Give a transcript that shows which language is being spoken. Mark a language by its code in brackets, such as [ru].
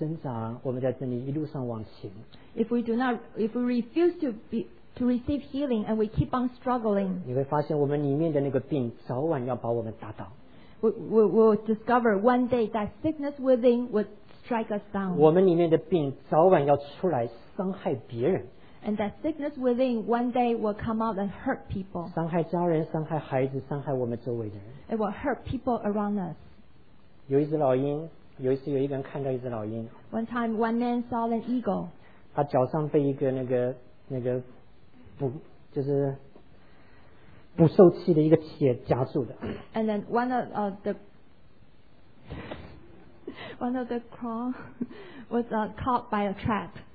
[zh] 如果我们不肯医治，我们在这里挣扎，我们在这里一路上往前。 [en] If we refuse to receive healing and we keep on struggling, [zh] 你会发现我们里面的那个病早晚要把我们打倒。 [en] We will discover one day that sickness within would strike us down. [zh] 我们里面的病早晚要出来伤害别人。 [en] And that sickness within one day will come out and hurt people. [zh] 伤害家人，伤害孩子，伤害我们周围的人。 [en] It will hurt people around us. [zh] 有一只老鹰，有一次有一个人看到一只老鹰。 [en] One time, one man saw an eagle. [zh] 他脚上被一个那个补，就是。捕兽器的一个铁夹住的。 [en] And then one of the crow was caught by a trap.